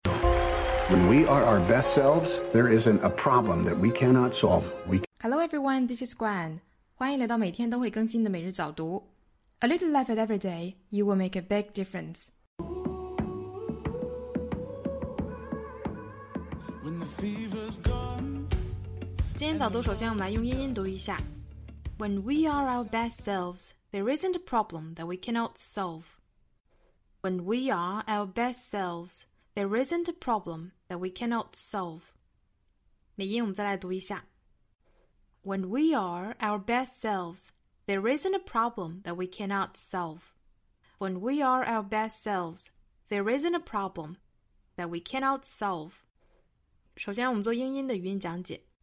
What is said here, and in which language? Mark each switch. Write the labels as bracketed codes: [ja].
[en] When we are our best selves, there isn't a problem that we cannot solve. Hello everyone, this is Gwen. [zh] 欢迎来到每天都会更新的每日早读。 [en] A little life at every day, you will make a big difference. When the fever's gone, [zh] 今天早读首先我们来用英音读一下。 [en] When we are our best selves, there isn't a problem that we cannot solve. When we are our best selves, there isn't a problem that we cannot solve. [zh] 美音我们再来读一下。 [en] When we are our best selves, there isn't a problem that we cannot solve. When we are our best selves, there isn't a problem that we cannot solve. [zh] 首先我们做英音的语音讲解。